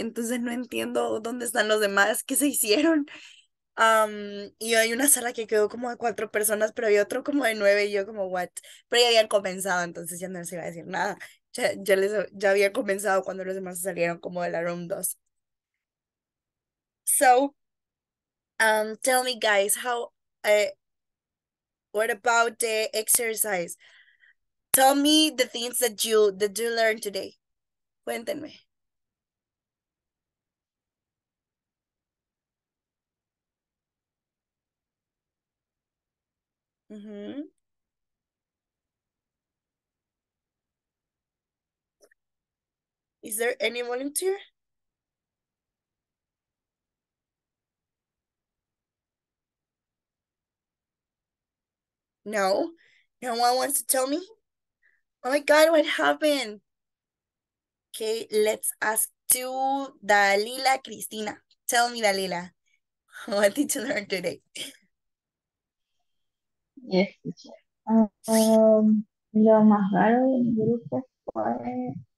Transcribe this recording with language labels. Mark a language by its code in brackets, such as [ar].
[es] Entonces no entiendo dónde están los demás, qué se hicieron. Y hay una sala que quedó como de 4 personas, pero había otro como de 9 y yo como, what? Pero ya habían comenzado, entonces ya no les iba a decir nada. Ya había comenzado cuando los demás salieron como de la room 2. [en] So, tell me guys, how, what about the exercise? Tell me the things that you learned today. [es] Cuéntenme. [en] Is there any volunteer? No, no one wants to tell me. Oh my God, what happened? Okay, let's ask to Dalila Cristina. Tell me, Dalila, what did you learn today? [es] Yes, lo más raro de mi grupo fue